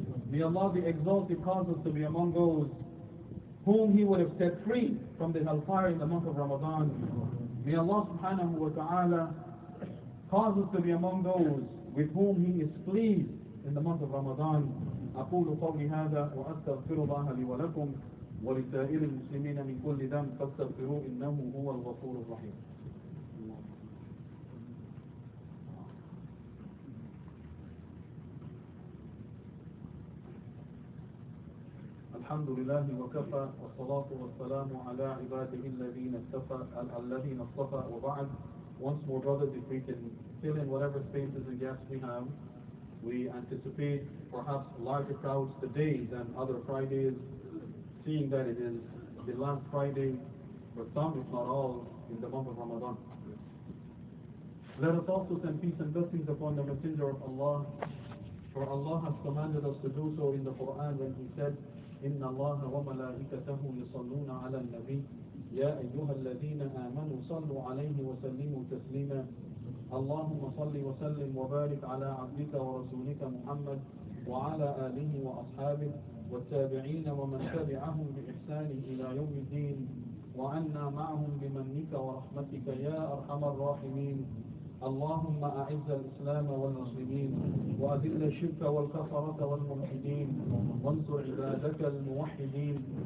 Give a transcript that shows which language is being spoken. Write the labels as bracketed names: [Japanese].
[English] May Allah the Exalted cause us to be among those whom He would have set free from the hellfire in the month of Ramadan. May Allah subhanahu wa ta'ala cause us to be among those with whom He is pleased in the month of Ramadan. [Arabic] أقول قولي هذا وأستغفر الله لي ولكم ولسائر المسلمين من كل ذنب فاستغفروه إنه هو الغفور الرحيم. الحمد لله وكفى والصلاة والسلام على عباده الذين اصطفى وبعد. [English] Once more, brothers, if we can fill in whatever spaces and gaps we have. We anticipate perhaps larger crowds today than other Fridays, seeing that it is the last Friday for some, if not all, in the month of Ramadan. Let us also send peace and blessings upon the Messenger of Allah, for Allah has commanded us to do so in the Quran when He said, [Arabic] إِنَّ اللَّهَ وَمَلَائِكَتَهُ يُصَلُّونَ عَلَى النَّبِيِّ يَا أَيُّهَا الَّذِينَ آمَنُوا صَلُّوا عَلَيْهِ وَسَلِّمُوا تَسْلِيمًا. اللهم صل وسلم وبارك على عبدك ورسولك محمد وعلى آله وأصحابه والتابعين ومن تبعهم بإحسان إلى يوم الدين وعنا معهم بمنك ورحمتك يا أرحم الراحمين. اللهم أعز الإسلام والمسلمين وأذل الشرك والكفرة والملحدين وانصر عبادك الموحدين.